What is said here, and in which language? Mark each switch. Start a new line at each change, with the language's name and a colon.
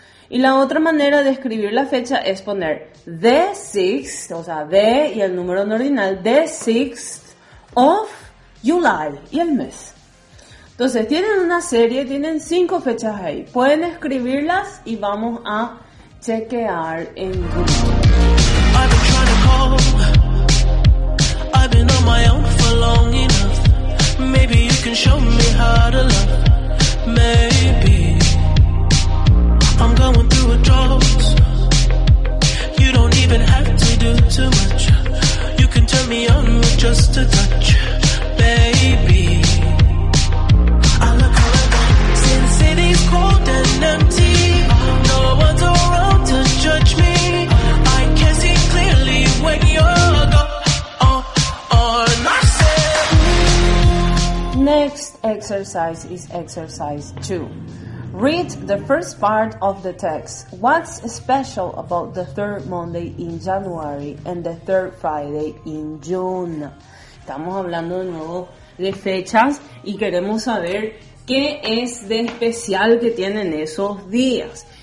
Spanish: Y la otra manera de escribir la fecha es poner
English: the 6th,
Spanish: o sea, the y el número en ordinal,
English: the 6th of July
Spanish: y el mes. Entonces, tienen una serie, tienen 5 fechas ahí. Pueden escribirlas y vamos a chequear en Google.
English: I've been trying to call, I've been on my own for long enough. Maybe you can show me how to love, maybe. I'm going through a drought. You don't even have to do too much. You can turn me on with just a touch, baby. I look around, since it is cold and empty. No one's around to judge me. I can see clearly when you're gone. I said, next exercise is exercise 2. Read the first part of the text. What's special about the third Monday in January and the third Friday in June?
Spanish: Estamos hablando de nuevo de fechas y queremos saber qué es de especial que tienen esos días.